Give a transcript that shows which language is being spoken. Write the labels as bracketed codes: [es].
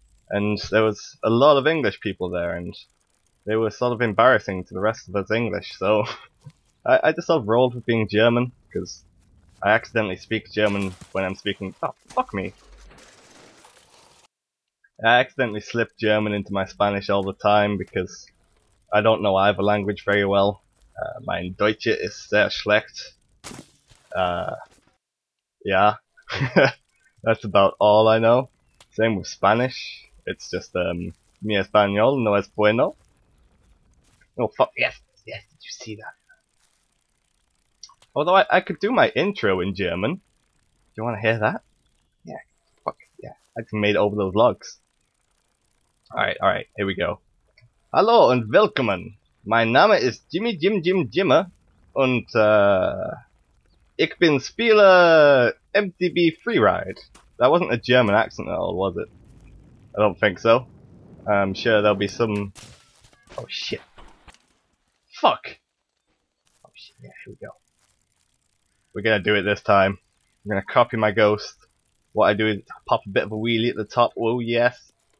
[en] And there was a lot of English people there, and they were sort of embarrassing to the rest of us English, so I just sort of rolled with being German, because I accidentally speak German when I'm speaking. Oh, fuck me. I accidentally slip German into my Spanish all the time because I don't know either language very well. [de] Mein Deutsch ist sehr schlecht. [en] Yeah. That's about all I know. Same with Spanish. It's just, [es] mi español no es bueno. [en] Oh fuck, yes, did you see that? Although I could do my intro in German. Do you want to hear that? Yeah, fuck yeah. I just made over those logs. Alright, here we go. [de] Hallo und willkommen. Mein Name ist Jimmer. Und, ich bin Spieler MTBFreeride. [en] That wasn't a German accent at all, was it? I don't think so. I'm sure there'll be some... Oh shit. Fuck! Oh shit, yeah, here we go. We're gonna do it this time. I'm gonna copy my ghost. What I do is pop a bit of a wheelie at the top. Oh yes.